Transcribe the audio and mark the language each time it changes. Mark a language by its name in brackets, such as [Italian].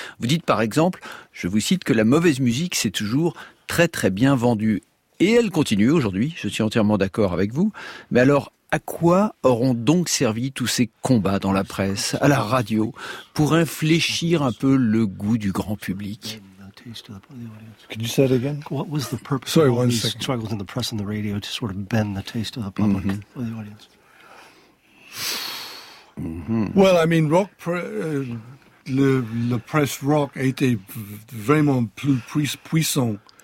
[French] Vous dites par exemple, je vous cite, que la mauvaise musique s'est toujours très très bien vendue. Et elle continue aujourd'hui, je suis entièrement d'accord avec vous. Mais alors, à quoi auront donc servi tous ces combats dans la presse, à la radio, pour infléchir un peu le goût du grand public? [English] Could you say it again? What was the purpose of all these struggles in the press and the radio to sort of bend the taste of the public or the audience? [French] Well, I mean, rock le presse rock a été vraiment plus puissant.